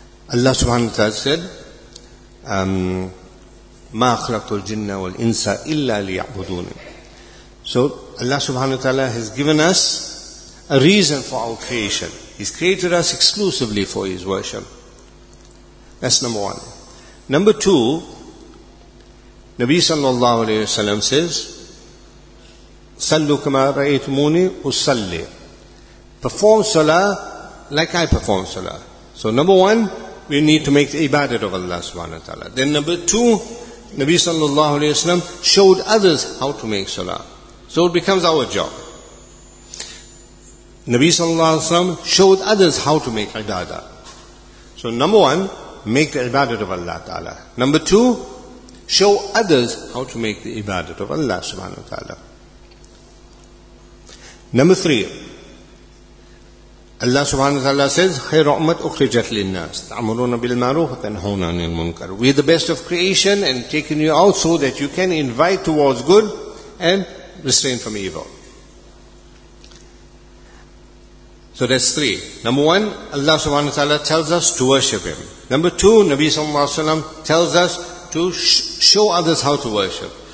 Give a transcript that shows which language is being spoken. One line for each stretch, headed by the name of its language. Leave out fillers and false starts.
Arabic: Allah subhanahu wa ta'ala said, مَا خَلَقْتُ الْجِنَّ وَالْإِنسَ إِلَّا لِيَعْبُدُونِ.
English: So Allah subhanahu wa ta'ala has given us a reason for our creation. He's created us exclusively for His worship. That's number one. Number two, Nabi sallallahu alayhi wa sallam says,
Arabic: صَلُّ كَمَا رَأَيْتُمُونِي أُصَلِّي.
English: Perform salah like I perform salah. So number one, we need to make the ibadat of Allah subhanahu wa ta'ala. Then number two, Nabi sallallahu alayhi wa sallam showed others how to make salah. So it becomes our job. Nabi sallallahu alayhi wa sallam showed others how to make ibadah. So number one, make the ibadat of Allah Ta'ala. Number two, show others how to make the ibadat of Allah subhanahu wa ta'ala. Number three,
Arabic: Allah subhanahu wa ta'ala says, خَيْرَ أُمَّتْ أُخْرِجَتْ لِلنَّاسِ تَعْمُرُونَ بِالْمَعْرُوفَ تَنْهُونَ عَنِ الْمُنْكَرِ.
English: We are the best of creation and taken you out so that you can invite towards good and restrain from evil. So that's three. Number one, Allah subhanahu wa ta'ala tells us to worship Him. Number two, Nabi sallallahu alayhi wa sallam tells us to show others how to worship.